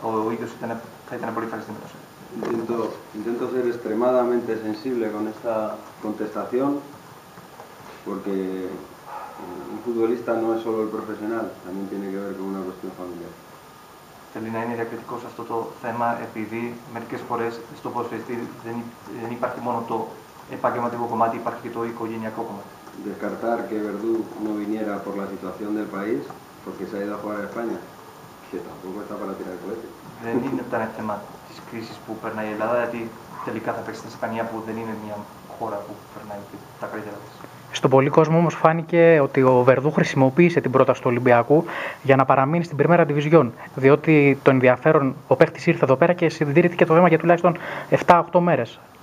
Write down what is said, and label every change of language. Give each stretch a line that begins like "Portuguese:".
Greek: Ο ίδιος θα ήταν πολύ ευχαριστημένος.
Spanish: Intento ser extremadamente sensible con esta contestación, porque un futbolista no es solo el profesional, también tiene que ver con una cuestión familiar.
Greek: Θέλει να είναι διακριτικός αυτό το θέμα, επειδή μερικές φορές στο ποδοσφαιριστή δεν υπάρχει μόνο το επαγγελματικό κομμάτι, υπάρχει και το οικογενειακό κομμάτι.
Spanish: Descartar que Verdú no viniera por la situación del país, porque se ha ido a jugar a España, que tampoco está para tirar cohetes.
Greek: Δεν είναι ήταν θέμα της κρίσης που περνάει η Ελλάδα, γιατί τελικά θα παίξει στην Ισπανία που δεν είναι μια χώρα που περνάει τα καλύτερα της. Στον πολύ κόσμο όμως φάνηκε ότι ο Βερδού χρησιμοποίησε την πρόταση του Ολυμπιακού για να παραμείνει στην Πριμέρα Ντιβιζιόν, διότι το ενδιαφέρον, ο παίχτης ήρθε εδώ πέρα και συντήρηθηκε το θέμα για τουλάχιστον 7-8 μέρες.